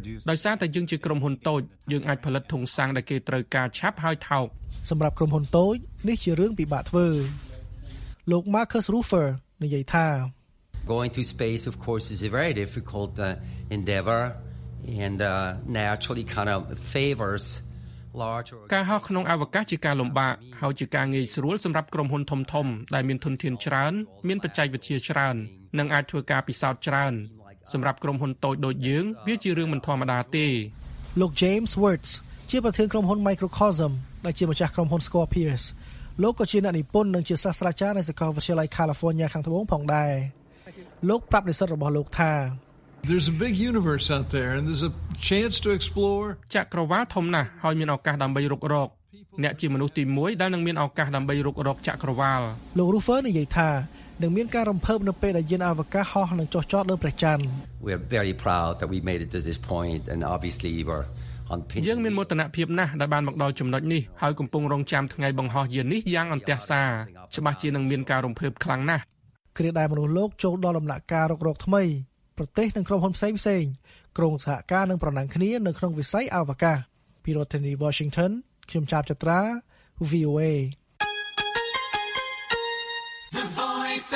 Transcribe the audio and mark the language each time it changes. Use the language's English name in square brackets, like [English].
[Khmer] ដោយសារតែយើងជាក្រុមហ៊ុនតូចយើងអាចផលិតធុងសាំងដែលគេត្រូវការឆាប់ហើយថោក សម្រាប់ក្រុមហ៊ុនតូចនេះជារឿងពិបាកធ្វើលោក Marcus Ruffer និយាយថា [English] Going to space, of course, is a very difficult endeavor and naturally kind of favors larger... [Khmer] ការហោះក្នុងអវកាសជាការលំបាកហើយជាការងាយស្រួលសម្រាប់ក្រុមហ៊ុនធំៗដែលមានធនធានច្រើនមានបច្ចេកវិទ្យាច្រើននិងអាចធ្វើការពិសោធន៍ច្រើនសម្រាប់ក្រុមហ៊ុនតូចដូចយើងវាជារឿងមិនធម្មតាទេ លោក James Words ជាប្រធានក្រុមហ៊ុន Microcosm ដែលជាម្ចាស់ក្រុមហ៊ុន Scorpius លោកក៏ជាអ្នកនិពន្ធនិងជាសាស្ត្រាចារ្យនៅសាកលវិទ្យាល័យ California ខាងត្បូងផងដែរលោកប្រាប់និស្សិតរបស់លោកថា [English] There's a big universe out there and there's a chance to explore [Khmer] ចក្រវាឡធំណាស់ហើយមានឱកាសដើម្បីរុករកអ្នកជាមនុស្សទី1ដែលនឹងមានឱកាសដើម្បីរុករកចក្រវាឡ លោក Ruffer និយាយថានឹងមានការរំភើបនៅពេលដែលយានអវកាសហោះនឹងចុះចតលើព្រះច័ន្ទ [English] We are very proud that we made it to this point and obviously we're on pins [Khmer] យើងមានមោទនភាពណាស់ដែលបានមកដល់ចំណុចនេះហើយកំពុងរង់ចាំថ្ងៃបង្ហោះយាននេះយ៉ាងអន្តរសាច្បាស់ជានឹងមានការរំភើបខ្លាំងណាស់ គ្រាដែលមនុស្សលោកចូលដល់ដំណាក់កាលរករកថ្មីប្រទេសនិងក្រុមហ៊ុនផ្សេងផ្សេងក្រុមសហការនិងប្រណាំងគ្នានៅក្នុងវិស័យអវកាសពីរដ្ឋធានី Washington ខ្ញុំចាប់ចត្រា VOA The Voice